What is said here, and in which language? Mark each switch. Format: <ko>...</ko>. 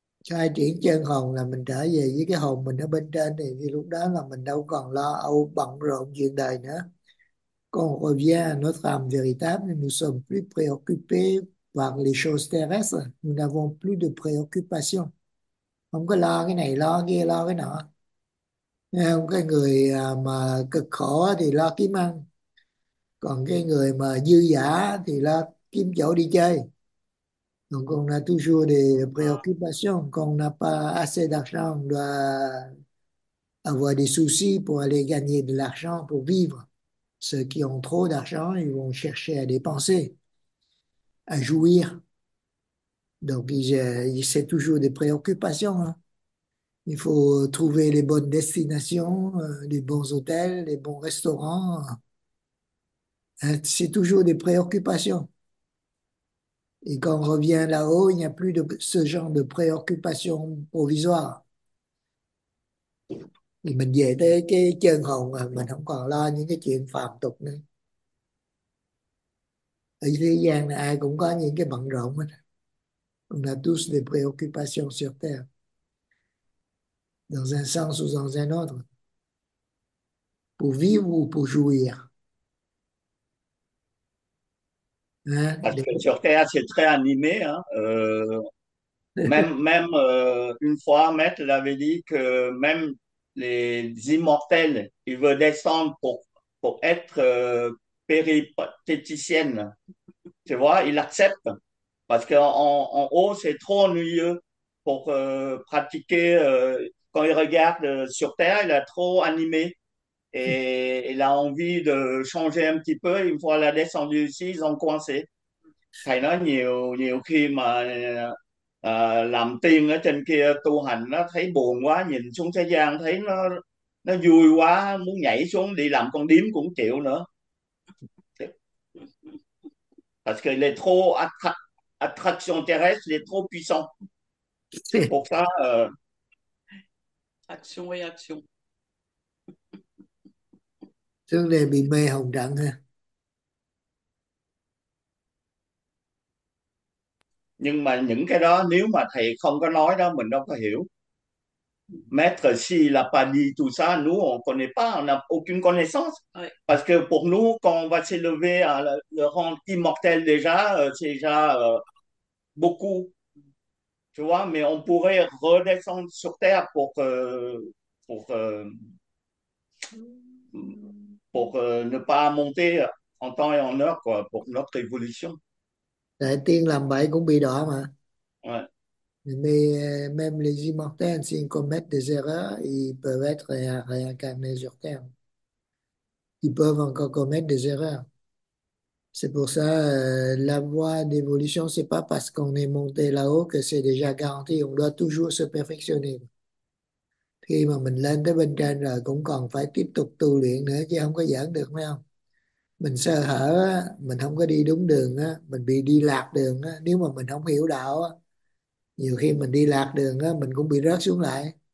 <vi>Khai triển chân hồn là mình trở về với cái hồn mình ở bên trên, thì lúc đó là mình đâu còn lo âu bận rộn chuyện đời nữa.</vi> <fr>Còn revient à notre âme véritable, nous sommes plus préoccupés par les choses terrestres. Nous n'avons plus de préoccupations.</fr> <vi>Không có lo cái này, lo kia, lo cái nọ. Nghe không? Cái người mà cực khổ thì lo kiếm ăn. Còn cái người mà dư dả thì lo kiếm chỗ đi chơi.</vi> <fr>Donc on a toujours des préoccupations, qu'on n'a pas assez d'argent, on doit avoir des soucis pour aller gagner de l'argent pour vivre. Ceux qui ont trop d'argent, ils vont chercher à dépenser, à jouir. Donc c'est toujours des préoccupations, hein. Il faut trouver les bonnes destinations, les bons hôtels, les bons restaurants. C'est toujours des préoccupations. Et quand on revient là-haut, il n'y a plus de ce genre de préoccupation provisoire.</fr> <vi>Mình về tới cái chân hồn mà mình không còn lo những cái chuyện phàm tục nữa. Ở thế gian này ai cũng có những cái bận rộn hết.</vi> <fr>On a tous des préoccupations sur terre. Dans un sens ou dans un autre. Pour vivre ou pour jouir. Hein? Parce que sur Terre, c'est très animé, hein. Même une fois, Maître l'avait dit que même les immortels, ils veulent descendre pour être péripatéticiennes. Tu vois, ils acceptent. Parce qu'en haut, c'est trop ennuyeux pour pratiquer. Quand ils regardent sur Terre, il a trop animé. Et il a envie de changer un petit peu. Une fois la descente ici, ils ont coincé.</fr> <vi>Thầy nói nhiều nhiều khi mà làm tiên ở trên kia tu hành nó thấy buồn quá, nhìn xuống thế gian thấy nó vui quá, muốn nhảy xuống đi làm con điếm cũng chịu nữa.</vi> <fr>Parce qu'il est trop attraction terrestre, il est trop puissant. C'est pour ça. Action, réaction.</fr> <vi>Tướng này bị mê hồng trận ha. Nhưng mà những cái đó nếu mà thầy không có nói đó mình đâu có hiểu.</vi> <fr>Maître, si la pas dit tout ça, nous on connaît pas, on a aucune connaissance. Parce que pour nous, quand on va s'élever à le rendre immortel déjà, c'est déjà beaucoup. Tu vois, mais on pourrait redescendre sur Terre pour ne pas monter en temps et en heure, quoi, pour notre évolution.</fr> <vi>Đại tiên làm bậy cũng bị đọa mà.</vi> <fr>Ouais. Même les immortels, s'ils commettent des erreurs, ils peuvent être réincarnés sur Terre. Ils peuvent encore commettre des erreurs. C'est pour ça, la voie d'évolution, c'est pas parce qu'on est monté là-haut que c'est déjà garanti. On doit toujours se perfectionner.</fr> <vi>Khi mà mình lên tới bên trên rồi, cũng còn phải tiếp tục tu luyện nữa, chứ không có giỡn được, phải không? Mình sơ hở, mình không có đi đúng đường, mình bị đi lạc đường. Nếu mà mình không hiểu đạo, nhiều khi mình đi lạc đường, mình cũng bị rớt xuống lại.</vi>